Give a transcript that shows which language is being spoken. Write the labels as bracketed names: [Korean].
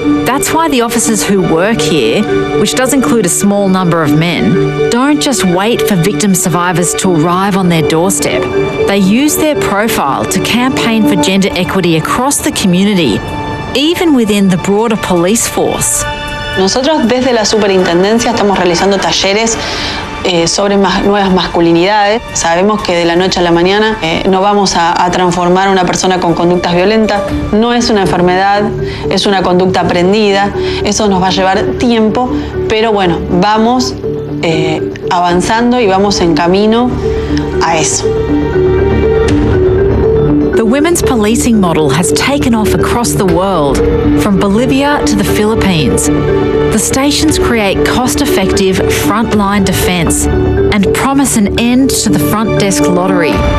[English] That's why the officers who work here, which does include a small number of men, don't just wait for victim survivors to arrive on their doorstep. They use their profile to campaign for gender equity across the community, even within the broader police force. [Spanish] Nosotros desde la superintendencia estamos realizando talleres sobre nuevas masculinidades. Sabemos que de la noche a la mañana no vamos a transformar a una persona con conductas violentas. No es una enfermedad, es una conducta aprendida. Eso nos va a llevar tiempo, pero bueno, vamos avanzando y vamos en camino a eso. [English] The women's policing model has taken off across the world, from Bolivia to the Philippines. The stations create cost-effective frontline defence and promise an end to the front desk lottery.